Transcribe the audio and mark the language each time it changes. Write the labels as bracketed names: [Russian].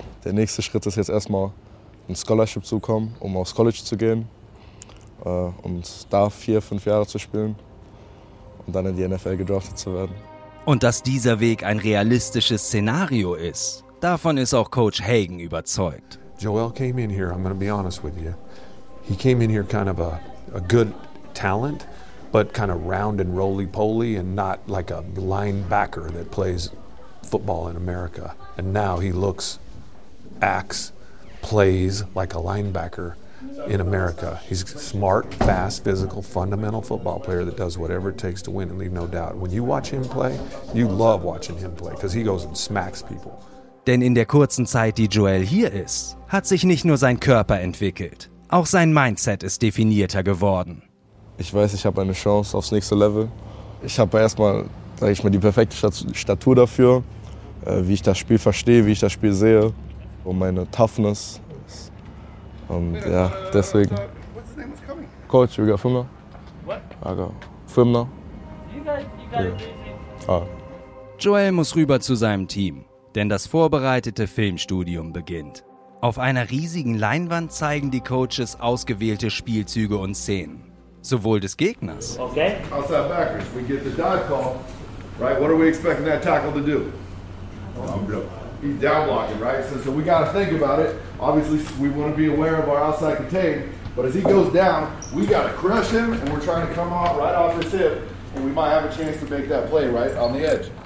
[German] Der nächste Schritt ist jetzt erstmal ein Scholarship zu bekommen, um aufs College zu gehen und da 4-5 Jahre zu spielen und dann in die NFL gedraftet zu werden. Und dass dieser Weg ein realistisches Szenario ist, davon ist auch Coach Hagen überzeugt. [English] Joel came in here, I'm going to be honest with you. He came in here kind of a good talent, but kind of round and roly-poly and not like a linebacker that plays football in America. And now he looks, acts, plays like a linebacker in America. He's a smart, fast, physical, fundamental football player that does whatever it takes to win and leave no doubt. When you watch him play, you love watching him play because he goes and smacks people. [German] Denn in der kurzen Zeit, die Joel hier ist, hat sich nicht nur sein Körper entwickelt, auch sein Mindset ist definierter geworden. Ich weiß, ich habe eine Chance aufs nächste Level. Ich habe erstmal, sage ich mal, die perfekte Statur dafür, wie ich das Spiel verstehe, wie ich das Spiel sehe und meine Toughness. Und ja, deswegen. [English] Coach, we got Firmner. What? I got Firmner. You guys. [German] Joel muss rüber zu seinem Team, denn das vorbereitete Filmstudium beginnt. Auf einer riesigen Leinwand zeigen die Coaches ausgewählte Spielzüge und Szenen. Sowohl des Gegners. [English] Okay. Outside backers, we get the dive call. Right, what are we expecting that tackle to do? He's down blocking, right? So we got to think about it. Obviously, we want to be aware of our outside contain. But as he goes down, we got to crush him, and we're trying to come off right off his hip, and we might have a chance to make that play right on the edge.